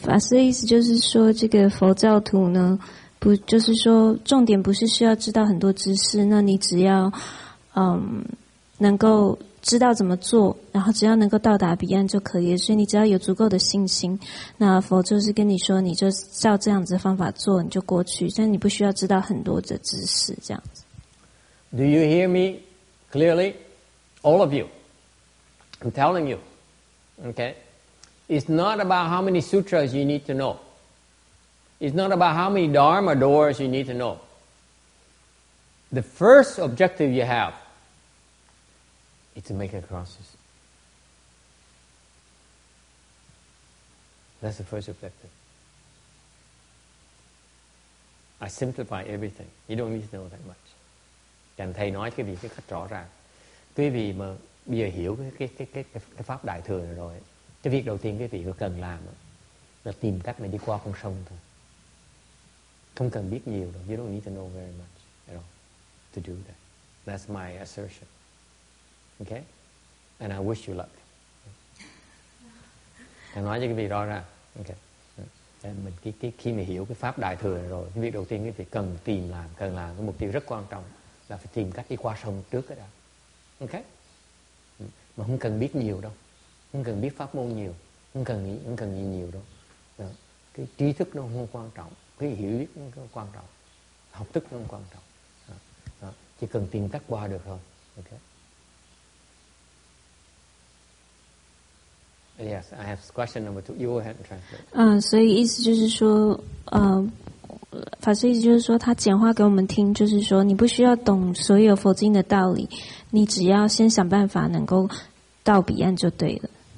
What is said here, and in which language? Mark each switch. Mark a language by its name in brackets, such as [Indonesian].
[Chinese] 法师的意思就是说，这个佛教徒呢，不就是说，重点不是需要知道很多知识，那你只要能够知道怎么做，然后只要能够到达彼岸就可以了。所以你只要有足够的信心，那佛就是跟你说，你就照这样子的方法做，你就过去。但你不需要知道很多的知识，这样子。 [English] Do you hear me clearly, all of you? I'm telling you, okay. It's not about how many sutras you need to know. It's not about how many dharma doors you need to know. The first objective you have is to make a crosses. That's the first objective. I simplify everything. You don't need to know that much. [Vietnamese] Chẳng thầy nói cái vị cái khách rõ ràng. Quý vị mà bây giờ hiểu cái pháp đại thừa này rồi. Cái việc đầu tiên quý vị cần làm là tìm cách để đi qua con sông thôi. Không cần biết nhiều đâu. [English] You don't need to know very much at all to do that. That's my assertion. Okay? And I wish you luck. [Vietnamese] Thầy nói cho quý vị rõ ra. Okay. Thầy mình khi mình hiểu cái pháp đại thừa rồi, cái việc đầu tiên quý vị cần làm cái mục tiêu rất quan trọng là phải tìm cách đi qua sông trước đó. Okay? Mà không cần biết nhiều đâu. Không cần biết pháp môn nhiều, không cần nghĩ nhiều đâu. Đó. Cái trí thức nó không quan trọng, cái hiểu biết nó không quan trọng, học thức nó không quan trọng. Đó. Đó. Chỉ cần tìm cách qua được thôi. Okay. [English] Yes, I have question number two. You go ahead and translate. [Chinese] 所以意思就是说，法师意思就是说，他简化给我们听，就是说，你不需要懂所有佛经的道理，你只要先想办法能够到彼岸就对了。